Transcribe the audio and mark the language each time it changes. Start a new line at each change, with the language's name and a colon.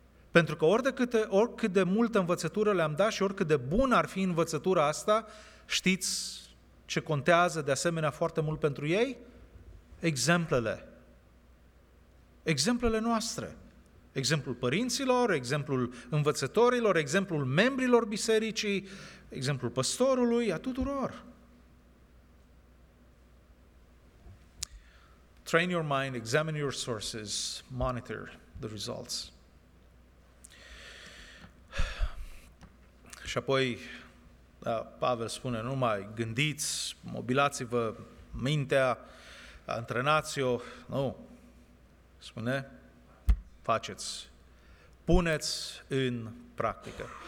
Romanian: Pentru că oricât de multă învățătură le-am dat și oricât de bună ar fi învățătura asta, știți ce contează de asemenea foarte mult pentru ei? Exemplele. Exemplele noastre, exemplul părinților, exemplul învățătorilor, exemplul membrilor bisericii, exemplul păstorului, a tuturor.
English: Train your mind, examine your sources, monitor the results.
Romanian: Și apoi Pavel spune, nu mai gândiți, mobilați-vă mintea, antrenați-o, nu. Spune, faceți, puneți în practică.